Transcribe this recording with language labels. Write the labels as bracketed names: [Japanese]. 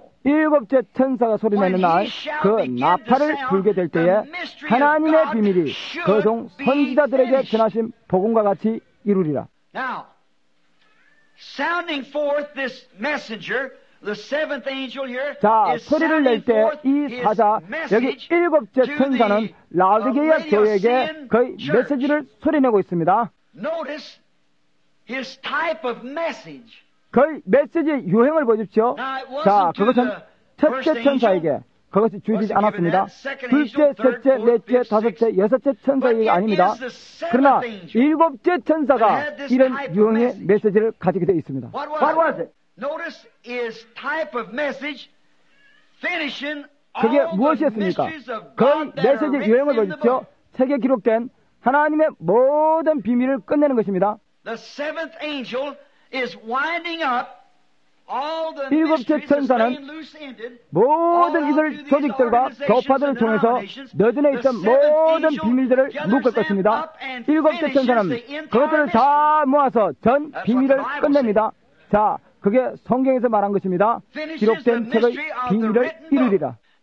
[Korean] 일곱째 천사가 소리내는 날, 그 나팔을 불게 될 때에 하나님의 비밀이 그 종 선지자들에게 전하신 복음과 같이 이루리라. [English] Now, sounding forth this messenger, the seventh angel here, [Korean] 자, 소리를 낼 때 이 사자, 여기 일곱째 천사는 라오디게아 교회에게 그의 메시지를 소리내고 있습니다. [English] Notice his type of message. [Korean] 그의 메시지의 유형을 보십시오. 자, 그것은 첫째 천사에게 그것이 주어지지 않았습니다. 둘째, 셋째, 넷째, 다섯째, 여섯째 천사에게 아닙니다. 그러나 일곱째 천사가 이런 유형의 메시지를 가지게 되어 있습니다. [English] What was it? Notice his type of message finishing all the mysteries. [Korean] 그게 무엇이었습니까? 그의 메시지의 유형을 보십시오. 책에 기록된 하나님의 모든 비밀을 끝내는 것입니다. [English] The seventh angel is winding up all the [Korean] 일곱째 천사는 모든 이들 조직들과 교파들을 통해서 너전에 있던 모든 비밀들을 묶을 것입니다. 일곱째 천사는 그것들을 다 모아서 전 비밀을 끝냅니다. 자, 그게 성경에서 말한 것입니다. 기록된 책의 비밀을 이루리라.